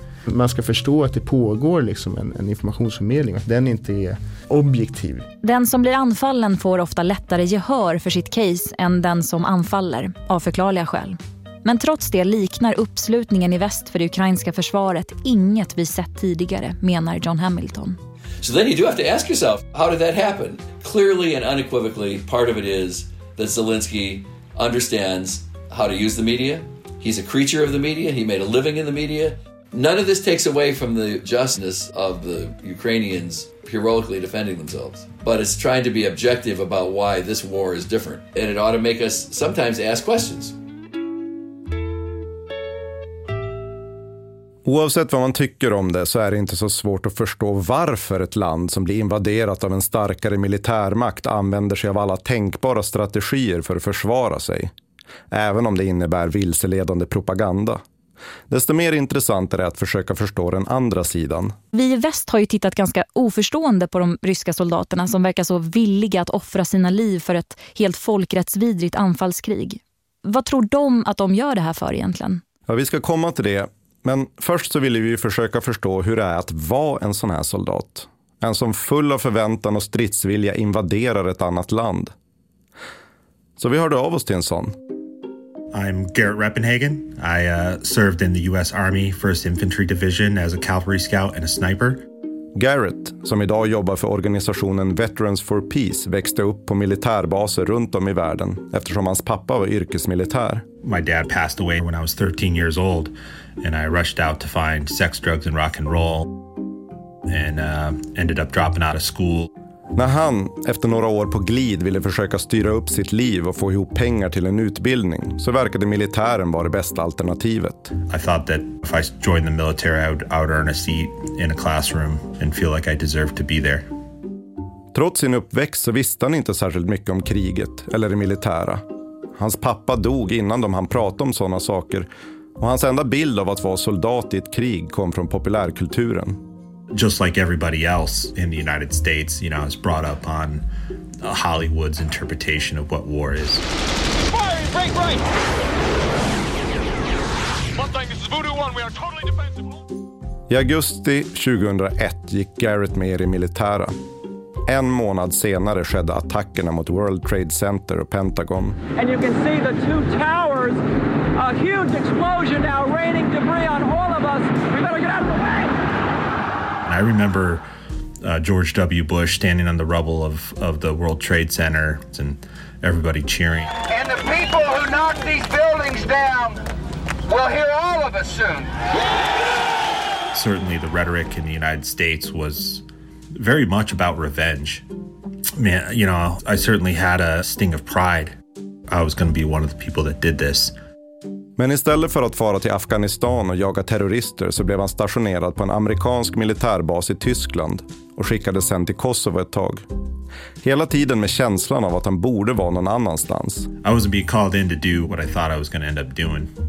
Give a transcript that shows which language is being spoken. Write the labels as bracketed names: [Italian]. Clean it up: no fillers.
[Swedish] Man ska förstå att det pågår liksom en informationsförmedling, att den inte är objektiv. Den som blir anfallen får ofta lättare gehör för sitt case än den som anfaller, av förklarliga skäl. Men trots det liknar uppslutningen i väst för det ukrainska försvaret inget vi sett tidigare, menar John Hamilton. [English] So then you do have to ask yourself, how did that happen? Clearly and unequivocally, part of it is that Zelensky understands how to use the media. He's a creature of the media. He made a living in the media. None of this takes away from the justness of the Ukrainians heroically defending themselves. But it's trying to be objective about why this war is different. And it ought to make us sometimes ask questions. [Swedish] Oavsett vad man tycker om det så är det inte så svårt att förstå varför ett land som blir invaderat av en starkare militärmakt använder sig av alla tänkbara strategier för att försvara sig. Även om det innebär vilseledande propaganda. Desto mer intressant är det att försöka förstå den andra sidan. Vi i väst har ju tittat ganska oförstående på de ryska soldaterna som verkar så villiga att offra sina liv för ett helt folkrättsvidrigt anfallskrig. Vad tror de att de gör det här för egentligen? Ja, vi ska komma till det. Men först så vill vi ju försöka förstå hur det är att vara en sån här soldat. En som full av förväntan och stridsvilja invaderar ett annat land. Så vi hörde av oss till en sån. [English] I'm Garrett Reppenhagen. I served in the US Army 1st Infantry Division as a cavalry scout and a sniper. [Swedish] Garrett, som idag jobbar för organisationen Veterans for Peace, växte upp på militärbaser runt om i världen eftersom hans pappa var yrkesmilitär. [English] My dad passed away when I was 13 years old. And I rushed out to find sex, drugs and rock and roll. And ended up dropping out of school. [Swedish] När han, efter några år på glid, ville försöka styra upp sitt liv och få ihop pengar till en utbildning, så verkade militären vara det bästa alternativet. [English] I thought that if I joined the military, I would earn a seat in a classroom and feel like I deserved to be there. [Swedish] Trots sin uppväxt så visste han inte särskilt mycket om kriget eller det militära. Hans pappa dog innan de hann prata om sådana saker. Och hans enda bild av att vara soldat i ett krig kom från populärkulturen. [English] Just like everybody else in the United States, you know, I was brought up on Hollywood's interpretation of what war is. Fire! Break right! Mustang, this is Voodoo 1. We are totally defensive. [Swedish] I augusti 2001 gick Garrett med i militära. En månad senare skedde attackerna mot World Trade Center och Pentagon. [English] And you can see the two towers. A huge explosion now raining debris on all of us. We better get out of the way. I remember George W. Bush standing on the rubble of the World Trade Center and everybody cheering. And the people who knocked these buildings down will hear all of us soon. Certainly the rhetoric in the United States was very much about revenge. Man, you know, I certainly had a sting of pride. I was going to be one of the people that did this. [Swedish] Men istället för att fara till Afghanistan och jaga terrorister så blev han stationerad på en amerikansk militärbas i Tyskland och skickades sen till Kosovo ett tag. Hela tiden med känslan av att han borde vara någon annanstans. [English] I wasn't being called in to do what I thought I was going to end up doing.